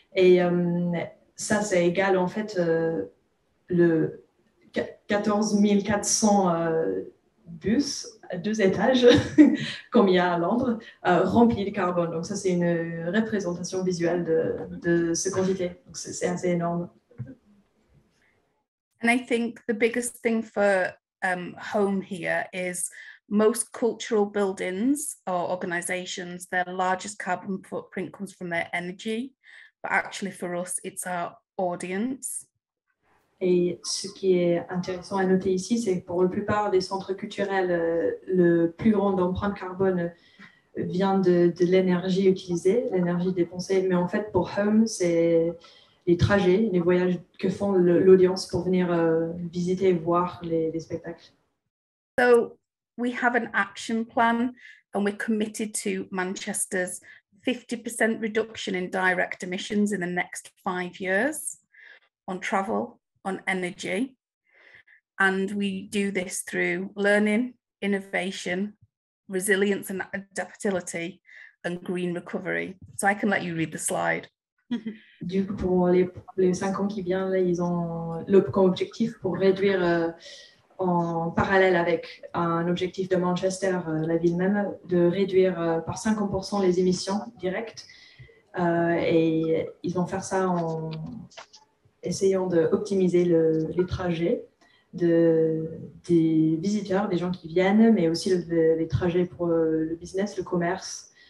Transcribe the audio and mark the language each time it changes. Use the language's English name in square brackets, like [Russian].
[French] Et ça, c'est égal en fait le 14 400 bus à 2 étages comme il y a à Londres remplis de carbone. Donc ça, c'est une représentation visuelle de ce quantité. Donc c'est assez énorme. [English] And I think the biggest thing for Home here is most cultural buildings or organizations, their largest carbon footprint comes from their energy, but actually for us, it's our audience. [French] Et ce qui est intéressant à noter ici, c'est que pour la plupart des centres culturels, le plus grand empreinte carbone vient de l'énergie utilisée, l'énergie dépensée. Mais en fait, pour Home, c'est les trajets, les voyages que font l'audience pour venir visiter, voir les spectacles. [English] So we have an action plan and we're committed to Manchester's 50% reduction in direct emissions in the next 5 years on travel, on energy. And we do this through learning, innovation, resilience and adaptability and green recovery. So I can let you read the slide. [French] Du coup, pour les 5 ans qui viennent, là, ils ont comme objectif pour réduire en parallèle avec un objectif de Manchester, la ville même, de réduire par 50% les émissions directes. Et ils vont faire ça en essayant d'optimiser les trajets des visiteurs, des gens qui viennent, mais aussi les trajets pour le business, le commerce.